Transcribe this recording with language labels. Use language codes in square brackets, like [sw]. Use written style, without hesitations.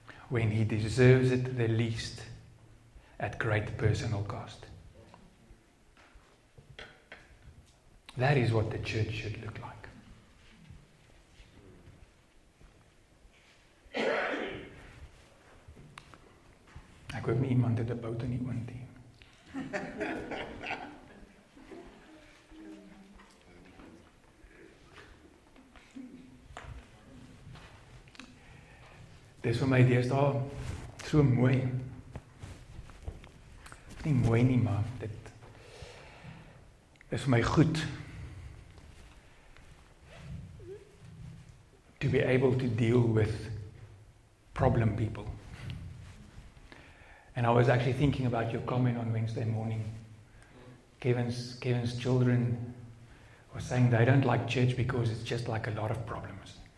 [en] when he deserves it the least, at great personal cost. That is what the church should look like. [af] Ek hoop nie iemand het 'n bout in die oond nie. Dis vir my deesda so mooi. Nie mooi nie, maar dit is vir my goed. [en] To be able to deal with problem people. And I was actually thinking about your comment on Wednesday morning. Kevin's children were saying they don't like church because it's just like a lot of problems.